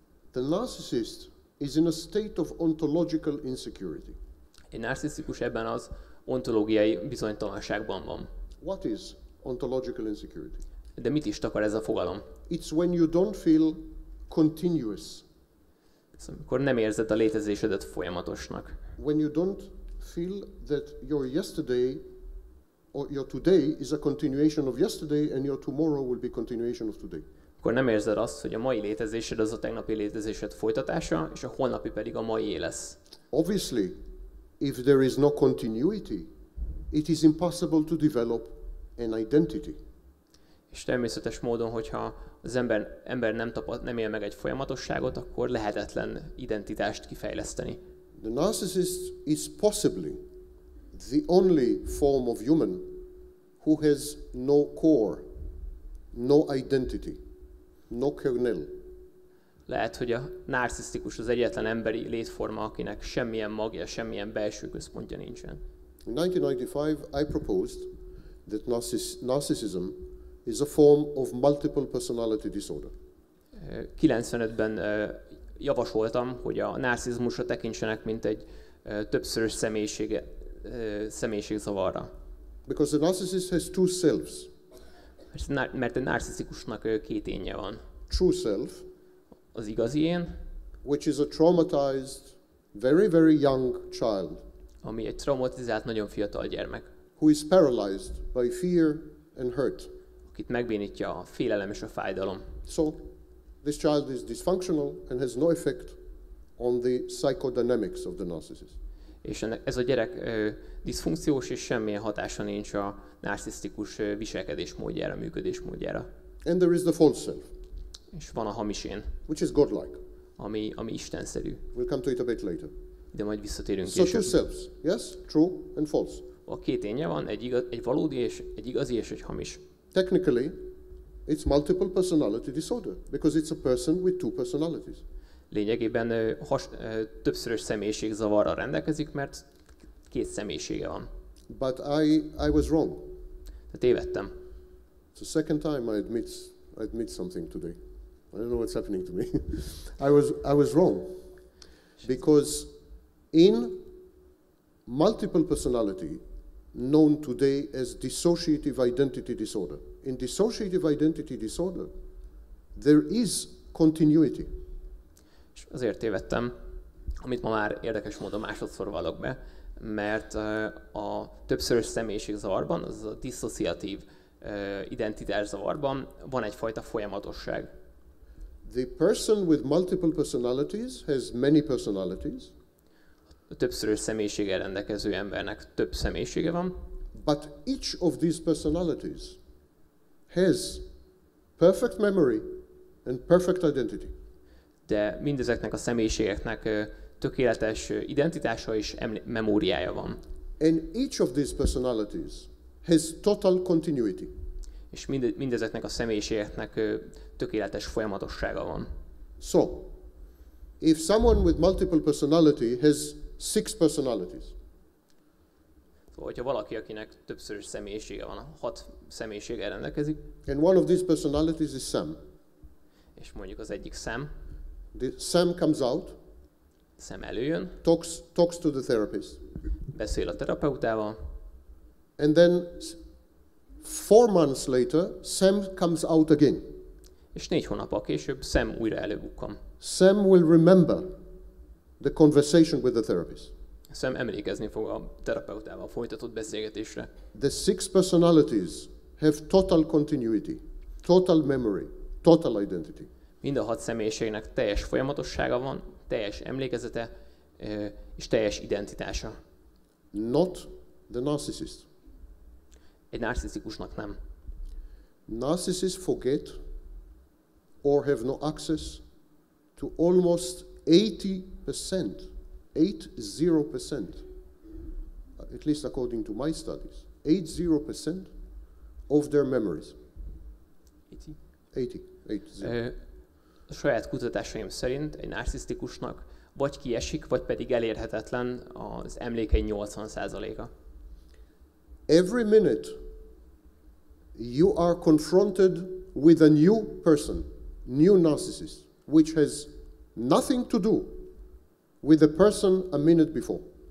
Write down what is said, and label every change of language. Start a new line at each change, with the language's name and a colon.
English: The narcissist is in a state of ontological insecurity.
Hungarian: Egy narcisztikus ebben az ontológiai bizonytalanságban van.
English: What is ontological insecurity?
Hungarian: De mit is takar ez a fogalom?
English: It's when you don't feel continuous.
Hungarian: Szóval, amikor nem érzed a létezésedet folyamatosnak.
English: When you don't feel that your yesterday or your today is a continuation of yesterday and your tomorrow will be continuation of today.
Hungarian: Akkor nem érzed azt, hogy a mai létezésed az a tegnapi létezésed folytatása, és a holnapi pedig a mai lesz.
English: Obviously, if there is no continuity, it is impossible to develop an identity.
Hungarian: És természetes módon, hogyha az ember nem él meg egy folyamatosságot, akkor lehetetlen identitást kifejleszteni.
English: The narcissist is possibly the only form of human who has no core, no identity. nokognil.
Hungarian: Lehet, hogy a narcisztikus az egyetlen emberi létforma, akinek semmilyen magja, semmilyen belső központja nincsen.
English: In 1995 I proposed that narcissism is a form of multiple personality disorder.
Hungarian: 95-ben javasoltam, hogy a narcizmusra tekintsenek, mint egy többszörös személyiségzavarra.
English: Because the narcissist has two selves.
Hungarian: Mert a narcisztikusnak két énje van.
English: True self,
Hungarian: az igazi én,
English: which is a traumatized, very, very young child.
Hungarian: Ami egy traumatizált, nagyon fiatal gyermek.
English: Who is paralyzed by fear and hurt.
Hungarian: Akit megbénítja a félelem és a fájdalom.
English: So, this child is dysfunctional and has no effect on the psychodynamics of the narcissist.
Hungarian: És ez a gyerek diszfunkciós, és semmilyen hatása nincs a narcisztikus viselkedésmódjára, működésmódjára.
English: And there is the false self.
Hungarian: És van a hamis én.
English: Which is godlike.
Hungarian: Ami istenszerű.
English: We'll come to it a bit later.
Hungarian: De majd visszatérünk később.
English: So two selves, yes, true and false.
Hungarian: A két énje van, egy valódi és egy igazi és egy hamis.
English: Technically, it's multiple personality disorder, because it's a person with two personalities.
Hungarian: Lényegében többszörös személyiségzavarral rendelkezik, mert két személyisége van.
English: But I was wrong.
Hungarian: De tévedtem.
English: It's the second time I admit something today. I don't know what's happening to me. I was wrong. Because in multiple personality, known today as dissociative identity disorder, in dissociative identity disorder, there is continuity.
Hungarian: És azért tévedtem, amit ma már érdekes módon másodszor vallok be, mert a többszörös személyiségzavarban, az a diszociatív identitászavarban van egyfajta folyamatosság.
English: The person with multiple personalities has many personalities.
Hungarian: A többszörös személyiséggel rendelkező embernek több személyisége van.
English: But each of these personalities has perfect memory and perfect identity.
Hungarian: De mindezeknek a személyiségeknek tökéletes identitása és memóriája van.
English: And each of these personalities has total continuity.
Hungarian: És mindezeknek a személyiségeknek tökéletes folyamatossága van.
English: So, if someone with multiple personality has six personalities.
Hungarian: Szóval, hogyha valaki, akinek többszörös személyisége van, hat személyiséggel rendelkezik.
English: And one of these personalities is Sam.
Hungarian: És mondjuk az egyik Sam.
English: The Sam comes out.
Hungarian: Sam előjön.
English: Talks to the therapist.
Hungarian: Beszél a terapeutával.
English: And then 4 months later, Sam comes out again.
Hungarian: És 4 hónappal később Sam újra előbukkan.
English: Sam will remember the conversation with the therapist.
Hungarian: Sam emlékezni fog a terapeutával folytatott beszélgetésre.
English: The six personalities have total continuity, total memory, total identity.
Hungarian: Mind a hat személyiségnek teljes folyamatossága van, teljes emlékezete és teljes identitása.
English: Not the narcissist.
Hungarian: Egy narcisztikusnak nem.
English: Narcissists forget or have no access to almost 80%, 80%, at least according to my studies, 80% of their memories.
Hungarian: 80. A saját kutatásaim szerint egy narcisztikusnak vagy kiesik, vagy pedig elérhetetlen az emlékei 80%-a.
English: Every minute you are confronted with a new person, new narcissist, which has nothing to do with the person a minute before.